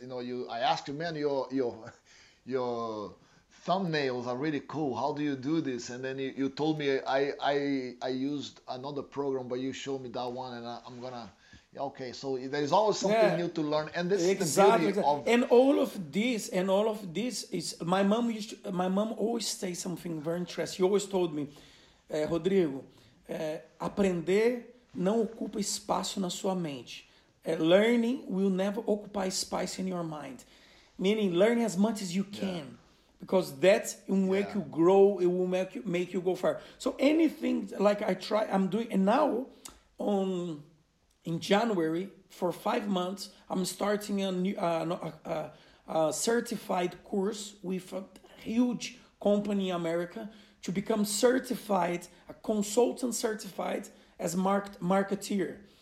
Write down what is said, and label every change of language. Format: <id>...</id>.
<en>You know, I asked you, man, your thumbnails are really cool. How do you do this? And then you told me I used another program, but you showed me that one, and I'm gonna. Okay, so there's always something new to learn, and this is the beauty of and all of this is my mom always say something very interesting. She always told me,</en> <pt>Rodrigo, aprender não ocupa espaço na sua mente.</pt> <en>Learning will never occupy space in your mind. Meaning, learn as much as you can, because that will make you grow. It will make you go far. So anything like I'm doing, and now on. In January, for 5 months, I'm starting a certified course with a huge company in America to become certified, a consultant certified as marketeer.</en>